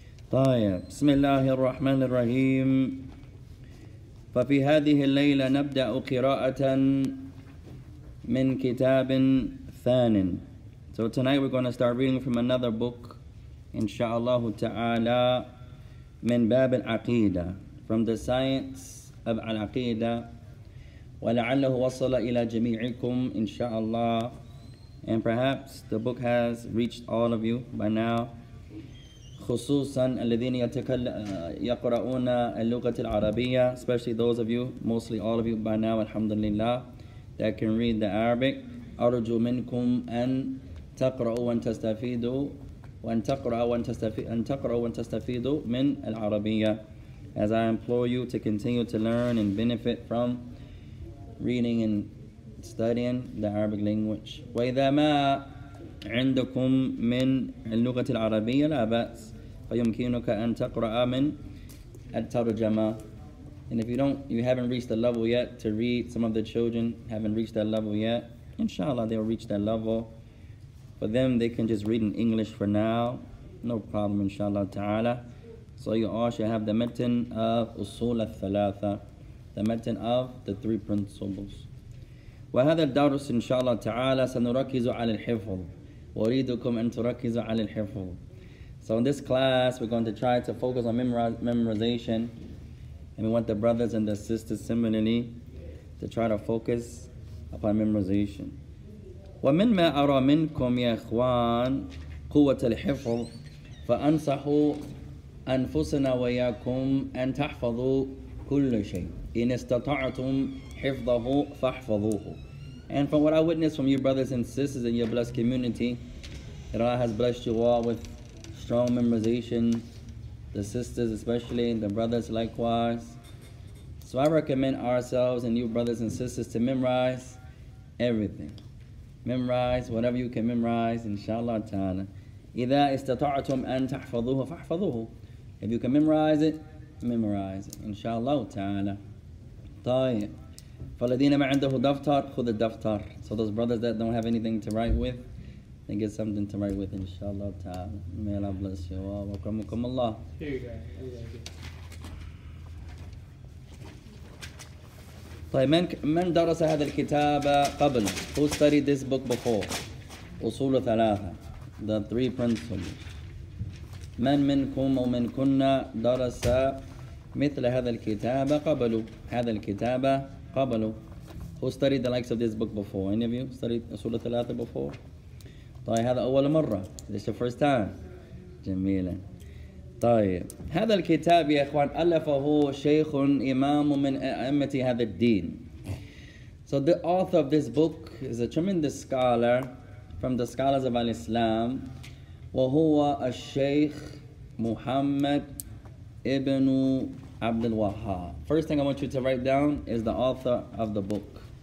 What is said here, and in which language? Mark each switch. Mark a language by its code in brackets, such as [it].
[ar] طيب بسم الله الرحمن الرحيم. ففي هذه الليلة نبدأ قراءة من كتاب ثان. [en] So tonight we're going to start reading from another book, inshallah ta'ala, [ar] من باب العقيدة, [en] from the science of العقيدة. [ar] ولعله وصل إلى جميعكم [en] inshallah, and perhaps the book has reached all of you by now. [ar] خصوصاً الذين يقرؤون اللغة العربية, [en] especially those of you, mostly all of you by now, [ar] الحمد لله, [en] that can read the Arabic. [ar] أرجو منكم أن تقرأوا وأن تستفيدوا وأن تقرأوا وأن تستفيدوا أن تقرأوا وأن تستفيدوا من العربية. [en] As I implore you to continue to learn and benefit from reading and studying the Arabic language. [ar] وإذا ما عندكم من اللغة العربية لا بأس فيمكنك أن تقرأ من الترجمة. [en] And if you don't, you haven't reached the level yet to read, some of the children haven't reached that level yet, inshallah they'll reach that level. For them, they can just read in English for now, no problem inshallah ta'ala. So you all should have the matan of Usool Al-Thalaathah, the matan of the three principles. [ar] وهذا الدرس إن شاء الله تعالى سنركز على الحفظ. وريدكم أن تركزوا على الحفظ. [en] So in this class, we're going to try to focus on memorization. And we want the brothers and the sisters similarly to try to focus upon memorization. [ar] ومما أرى منكم يا إخوان قوة الحفظ فأنصحوا أنفسنا وياكم أن تحفظوا كل شيء إن استطعتم حفظه فاحفظوه. [en] And from what I witnessed from you brothers and sisters in your blessed community, that Allah has blessed you all with strong memorization, the sisters especially, and the brothers likewise. So I recommend ourselves and you brothers and sisters to memorize everything. memorize whatever you can memorize, inshallah ta'ala. [ar] إِذَا إِسْتَطَعْتُمْ أَن تَحْفَظُوهُ فَاحْفَظُوهُ. [en] If you can memorize it, inshallah ta'ala. طيب. [ar] فَالَّذِينَ مَعَنْدَهُ دَفْتَرْ خُذَ الدَّفْتَرْ. [en] So those brothers that don't have anything to write with, they get something to write with, inshallah ta'ala. May Allah bless you all. [ar] وَكْرَمُكُمْ اللَّهُ. [en] Here you go. [ar] طيب. مَنْ دَرَسَ هَذَا الْكِتَابَ قَبْلًا. [en] Who studied this book before? أصول ثلاثة. The three principles. [ar] من منكم أو من كنا درس مثل هذا الكتاب قبل هذا الكتاب قبل. [en] Who studied the likes of this book before? Any of you studied أصول الثلاثة before? [ar] طيب هذا أول مرة. [en] This is the first time. [ar] جميلة. طيب هذا الكتاب يا إخوان ألفه شيخ إمام من أئمة هذا الدين. [en] So the author of this book is a tremendous scholar from the scholars of Al-Islam, [ar] وَهُوَ الشَّيْخ مُحَمَّدْ إِبْنُ عَبْدِ الْوَهَّابِ. [en] First thing I want you to write down is the author of the book.